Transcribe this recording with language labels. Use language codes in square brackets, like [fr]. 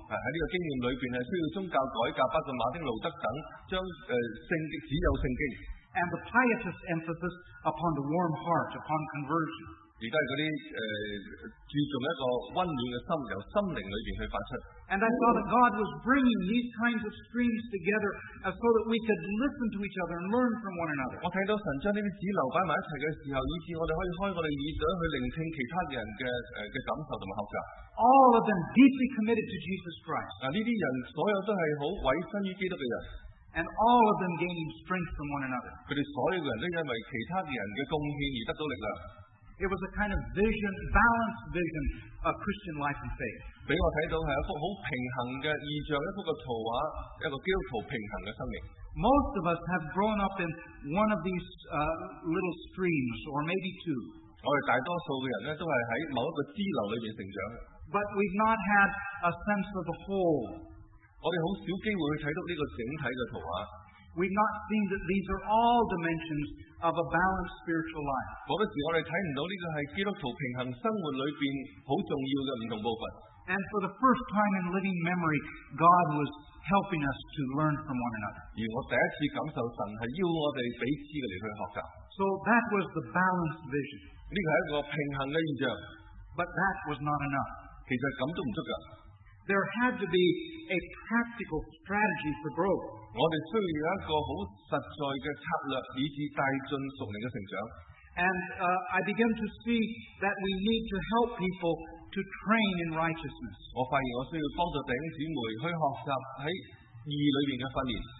[yue] 在這個經驗裏面需要宗教改革，包括馬丁路德等將聖經只有聖經。 [en] And the pietist emphasis upon the warm heart, upon conversion. [yue] 亦都係嗰啲注重一個温暖嘅心，由心靈裏邊去發出。 [en] And I saw that God was bringing these kinds of streams together, so that we could listen to each other and learn from one another. [yue] 我睇到神將呢啲支流擺埋一齊嘅時候，以致我哋可以開我哋耳朵去聆聽其他人嘅感受同埋學習。 [en] All of them deeply committed to Jesus Christ. [yue] 嗱，呢啲人所有都係好委身於基督嘅人。 [en] And all of them gaining strength from one another. [yue] 佢哋所有嘅人都因為其他人嘅貢獻而得到力量。 [en] It was a kind of vision, balanced vision of Christian life and faith. [yue] 俾我睇到係一幅好平衡嘅意象，一幅嘅圖畫，一個基督徒平衡嘅生命。 [en] Most of us have grown up in one of these little streams, or maybe two. [yue] 我哋大多數嘅人咧，都係喺某一個支流裏邊成長。 [en] But we've not had a sense of the whole. [yue] 我哋好少機會去睇到呢個整體嘅圖畫。 [en] We've not seen that these are all dimensions of a balanced spiritual life. [yue] 好多時我哋睇唔到呢個係基督徒平衡生活裏邊好重要嘅唔同部分。 [en] And for the first time in living memory, God was helping us to learn from one another. [yue] 而我第一次感受神係邀我哋彼此嚟去學習。 [en] So that was the balanced vision. [yue] 呢個係一個平衡嘅現象。 [en] But that was not enough. [yue] 其實咁都唔足夠。 [en] There had to be a practical strategy for growth. [yue] 我哋需要一個好實在嘅策略，以致帶進屬靈嘅成長。 [en] And I began to see that we need to help people to train in righteousness. [yue] 我發現我需要幫助弟兄姊妹去學習喺義裏邊嘅訓練。